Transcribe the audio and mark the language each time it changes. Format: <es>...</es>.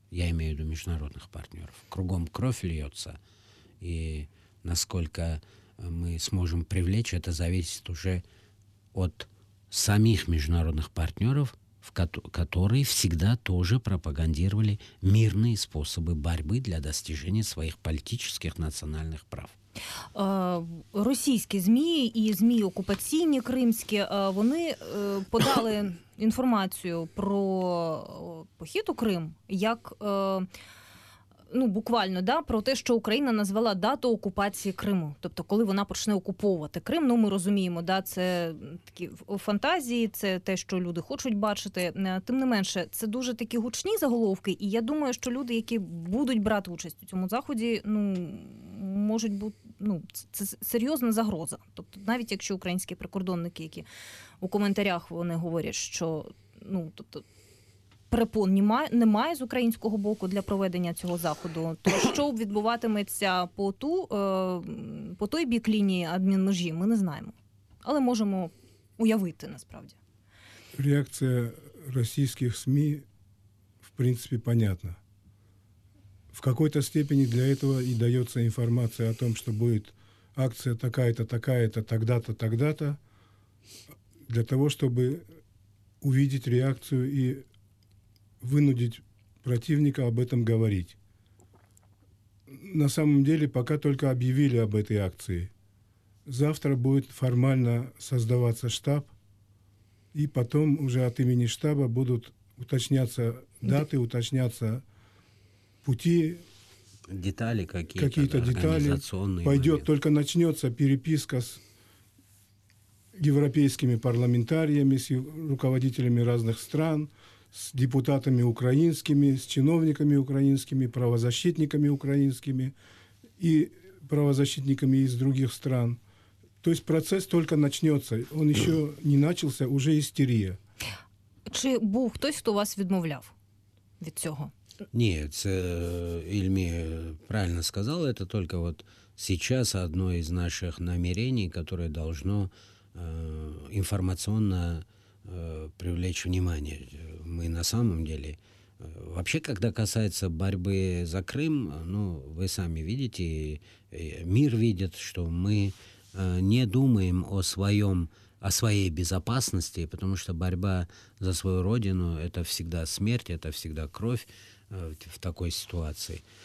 <ru>Я имею в виду международных партнеров. Кругом кровь льется, и насколько мы сможем привлечь, это зависит уже от самих международных партнеров, которые всегда тоже пропагандировали мирные способы борьбы для достижения своих политических национальных прав.</ru> <uk>Російські ЗМІ і ЗМІ окупаційні кримські, вони подали інформацію про похід у Крим як ну, буквально, да, про те, що Україна назвала дату окупації Криму. Тобто, коли вона почне окуповувати Крим, ну, ми розуміємо, да, це такі фантазії, це те, що люди хочуть бачити. Тим не менше, це дуже такі гучні заголовки, і я думаю, що люди, які будуть брати участь у цьому заході, ну, можуть бути, ну, це серйозна загроза. Тобто, навіть якщо українські прикордонники, які у коментарях вони говорять, що, ну, тобто, перепон немає з українського боку для проведення цього заходу, то що відбуватиметься по той бік лінії адмінмежі, ми не знаємо. Але можемо уявити, насправді. Реакція російських СМІ, в принципі, понятна.</uk> <ru>В какой-то степени для этого и дается информация о том, что будет акция такая-то, такая-то, тогда-то, тогда-то, для того, чтобы увидеть реакцию и вынудить противника об этом говорить. На самом деле, пока только объявили об этой акции. Завтра будет формально создаваться штаб, и потом уже от имени штаба будут уточняться даты, уточняться пути. Детали какие-то, какие-то, да, детали. Организационные пойдет моменты. Только начнется переписка с европейскими парламентариями, с руководителями разных стран, с депутатами украинскими, с чиновниками украинскими, правозащитниками украинскими и правозащитниками из других стран. То есть процесс только начнется. Он еще не начался, уже истерия.</ru> <uk>Чи був хтось, хто вас відмовляв від цього? Ні, це Ільмі правильно сказала, це тільки от зараз одне із наших намірень, яке має інформаційно</uk> <ru>привлечь внимание. Мы на самом деле, вообще, когда касается борьбы за Крым, ну, вы сами видите, мир видит, что мы не думаем о своем, о своей безопасности, потому что борьба за свою родину – это всегда смерть, это всегда кровь в такой ситуации.</ru>